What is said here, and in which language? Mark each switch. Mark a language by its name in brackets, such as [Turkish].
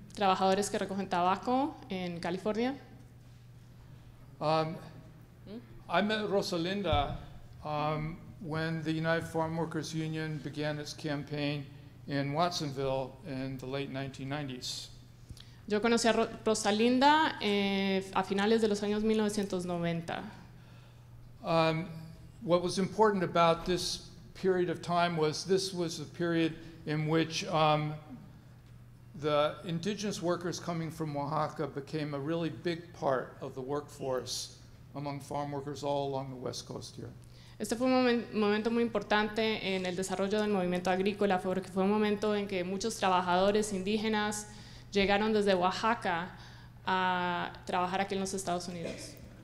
[Spanish] Trabajadores que recogen tabaco en California. [English] I met Rosalinda when the United Farm Workers Union began its campaign in Watsonville in the late 1990s. [Spanish] Yo conocí a Rosalinda a finales de los años 1990. [English] What was important about this period of time was this was a period in which the indigenous workers coming from Oaxaca became a really big part of the workforce among farm workers all along the West Coast here. [Spanish] Este fue un momento muy importante en el desarrollo del movimiento agrícola, porque fue un momento en que muchos trabajadores indígenas llegaron desde Oaxaca a trabajar aquí en los Estados Unidos.